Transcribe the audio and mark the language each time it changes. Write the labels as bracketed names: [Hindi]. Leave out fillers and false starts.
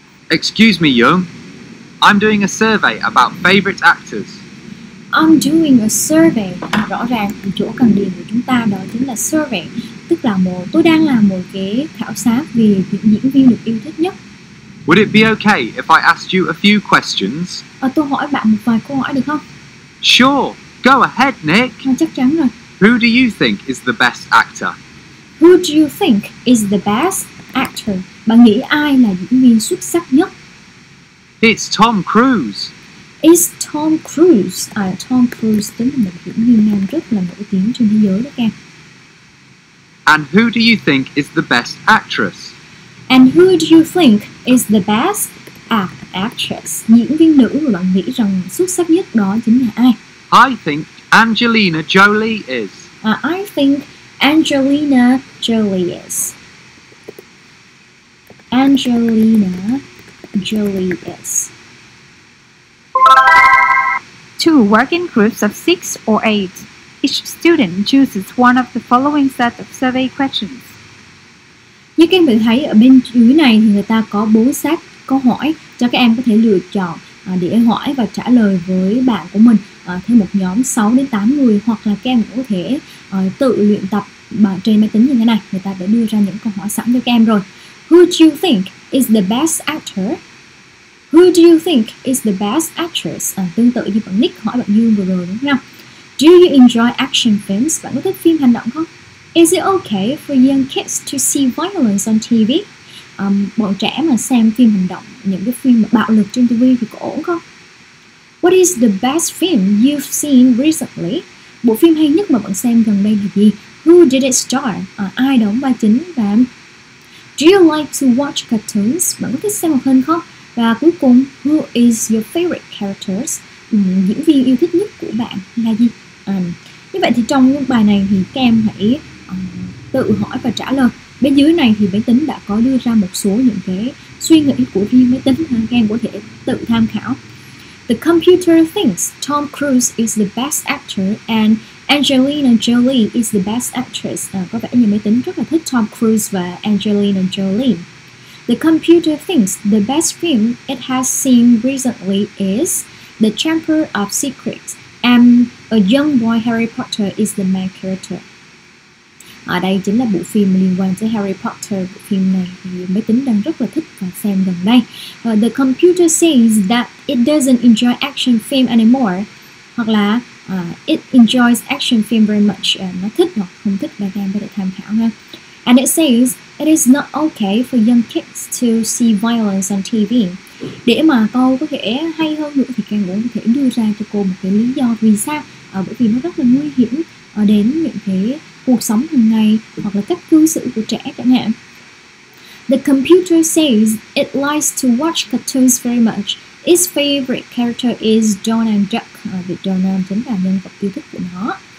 [English] Excuse me, Young. I'm doing a survey about favorite actors. I'm doing a survey. [Vietnamese] Rõ ràng chỗ cần điền của chúng ta đó chính là survey, tức là tôi đang làm một cái khảo sát về những diễn viên được yêu thích nhất. [English] Would it be okay if I asked you a few questions? [Vietnamese] Tôi hỏi bạn một vài câu hỏi được không? [English] Sure, go ahead, Nick. [Vietnamese] Chắc chắn rồi. [English] Who do you think is the best actor? Who do you think is the best actor? [Vietnamese] Bạn nghĩ ai là diễn viên xuất sắc nhất? [English] It's Tom Cruise. It's Tom Cruise. [Vietnamese] Tom Cruise chính là một diễn viên nam rất là nổi tiếng trên thế giới đó em. [English] And who do you think is the best actress? And who do you think is the best actress? [Vietnamese] Diễn viên nữ mà bạn nghĩ rằng xuất sắc nhất đó chính là ai? [English] I think Angelina Jolie is. I think Angelina Jolie is. Angelina Jolie is. 2. Work in groups of 6 or 8. Each student chooses one of the following set of survey questions. [Vietnamese] Như các em vẫn thấy ở bên dưới này thì người ta có bố sát câu hỏi cho các em có thể lựa chọn để hỏi và trả lời với bạn của mình theo một nhóm 6 đến 8 người, hoặc là các em cũng có thể tự luyện tập trên máy tính như thế này. Người ta đã đưa ra những câu hỏi sẵn cho các em rồi. [English] Who do you think is the best actor? Who do you think is the best actress? [Vietnamese] Tương tự như bạn Nick hỏi bạn Dương vừa rồi đúng không? [English] Do you enjoy action films? [Vietnamese] Bạn có thích phim hành động không? [English] Is it okay for young kids to see violence on TV? [Vietnamese] Bọn trẻ mà xem phim hành động, những cái phim bạo lực trên TV thì có ổn không? [English] What is the best film you've seen recently? [Vietnamese] Bộ phim hay nhất mà bạn xem gần đây là gì? [English] Who did it star? [Vietnamese] Ai đóng vai chính và em? [English] Do you like to watch cartoons? [Vietnamese] Bạn có thích xem hoạt hình không? Và cuối cùng, [English] who is your favorite characters? [Vietnamese] Diễn viên yêu thích nhất của bạn là gì? Như vậy thì trong bài này thì các em hãy tự hỏi và trả lời. Bên dưới này thì máy tính đã có đưa ra một số những cái suy nghĩ của riêng máy tính, các em có thể tự tham khảo. [English] The computer thinks Tom Cruise is the best actor and Angelina Jolie is the best actress. [Vietnamese] Có vẻ như máy tính rất là thích Tom Cruise và Angelina Jolie. [English] The computer thinks the best film it has seen recently is The Chamber of Secrets and A Young Boy Harry Potter is the main character. [Vietnamese] Ở đây chính là bộ phim liên quan tới Harry Potter. Bộ phim này thì máy tính đang rất là thích và xem gần đây. [English] The computer says that it doesn't enjoy action film anymore. [Vietnamese] Hoặc là [English] it enjoys action film very much. [Vietnamese] Nó thích hoặc không thích, các em có thể tham khảo ha. [English] And it says it is not okay for young kids to see violence on TV. [Vietnamese] Để mà câu có thể hay hơn nữa thì các em cũng có thể đưa ra cho cô một cái lý do vì sao. Bởi vì nó rất là nguy hiểm đến những cái cuộc sống hàng ngày hoặc là cách cư xử của trẻ chẳng hạn. [English] The computer says it likes to watch cartoons very much. Its favorite character is Donald Duck. [Vietnamese] Vì Donald chính là nhân vật yêu thích của nó.